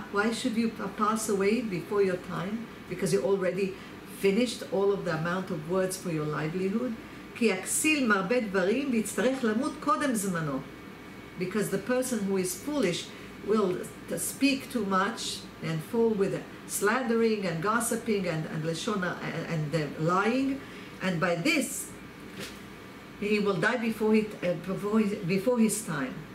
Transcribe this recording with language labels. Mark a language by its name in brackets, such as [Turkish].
[English] Why should you pass away before your time? Because you already finished all of the amount of words for your livelihood. [Hebrew] כי הכסיל מרבה דברים ויצטרך למות קודם זמנו. [English] Because the person who is foolish will speak too much and fall with slandering and gossiping and leshona and lying, and by this he will die before his time.